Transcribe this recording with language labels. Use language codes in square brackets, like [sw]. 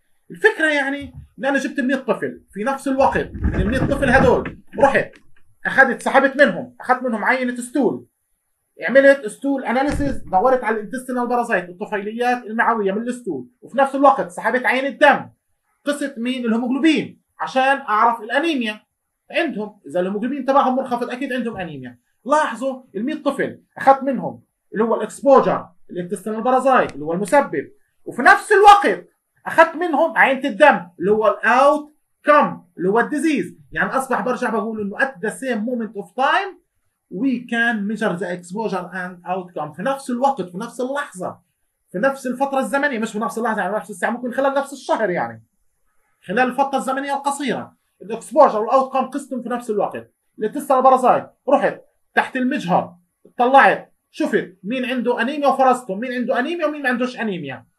[ar] الفكره يعني ان انا جبت 100 طفل في نفس الوقت، من ال 100 طفل هذول رحت اخذت سحبت منهم، اخذت منهم عينه ستول، عملت ستول اناليسيز، دورت على الانتستينال بارازايت الطفيليات المعويه من الستول، وفي نفس الوقت سحبت عين الدم قست مين الهيموجلوبين عشان اعرف الانيميا عندهم. اذا الهيموجلوبين تبعهم منخفض اكيد عندهم انيميا. لاحظوا ال 100 طفل اخذت منهم اللي هو الاكسبوجر الانتستينال بارازايت اللي هو المسبب، وفي نفس الوقت اخذت منهم عينة الدم اللي هو الاوت كم اللي هو الديزيز. يعني اصبح برجع بقول انه [en] at the same moment of time we can measure the exposure and outcome. [ar] في نفس الوقت في نفس اللحظة في نفس الفترة الزمنية، مش في نفس اللحظة يعني نفس الساعة، ممكن خلال نفس الشهر، يعني خلال الفترة الزمنية القصيرة الاكسبوجر والاوت كم قستهم في نفس الوقت. لتستر البرازايت رحت تحت المجهر طلعت شفت مين عنده انيميا وفرزتهم، مين عنده انيميا ومين ما عندهش انيميا.